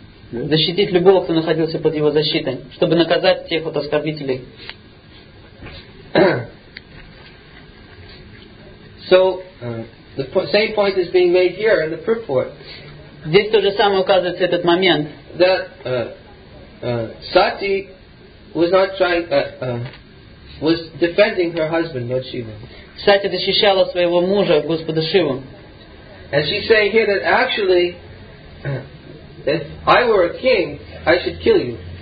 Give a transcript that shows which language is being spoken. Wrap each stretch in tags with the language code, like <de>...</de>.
<ru>Защитить любого, кто находился под его защитой, чтобы наказать тех вот оскорбителей.</ru> <en>So the same point is being made here in the purport.</en> <ru>Здесь то же самое указывается этот момент.</ru> <en>That Sati was not trying, was defending her husband, Lord Shiva.</en> <ru>Сати защищала своего мужа, Господа Шиву.</ru> <en>And she's saying here that actually, if I were a king, I should kill you.</en>